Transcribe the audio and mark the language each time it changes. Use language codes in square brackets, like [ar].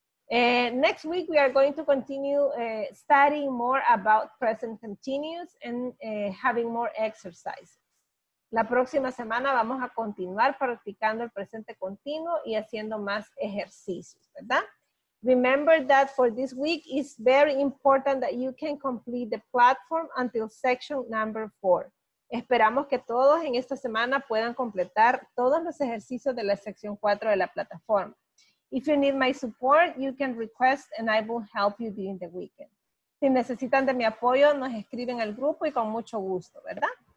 [en] Next week, we are going to continue studying more about present continuous and having more exercises. [es] La próxima semana vamos a continuar practicando el presente continuo y haciendo más ejercicios, ¿verdad? [en] Remember that for this week, it's very important that you can complete the platform until section number 4. [es] Esperamos que todos en esta semana puedan completar todos los ejercicios de la sección 4 de la plataforma. [en] If you need my support, you can request and I will help you during the weekend. [es] Si necesitan de mi apoyo, nos escriben al grupo y con mucho gusto, ¿verdad?